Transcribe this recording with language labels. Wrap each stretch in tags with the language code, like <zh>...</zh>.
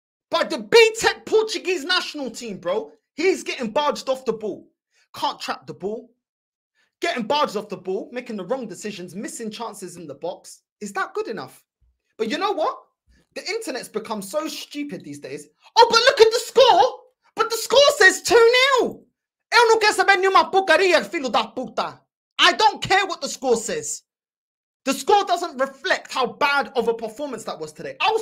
<en>By the BTEC Portuguese national team, bro. He's getting barged off the ball. Can't trap the ball. Getting barged off the ball, making the wrong decisions, missing chances in the box. Is that good enough? But you know what? The internet's become so stupid these days. Oh, but look at the score. But the score says 2-0.</en> <pt>Eu não quero saber nenhuma porcaria, filho da puta.</pt> <en>I don't care what the score says. The score doesn't reflect how bad of a performance that was today.</en>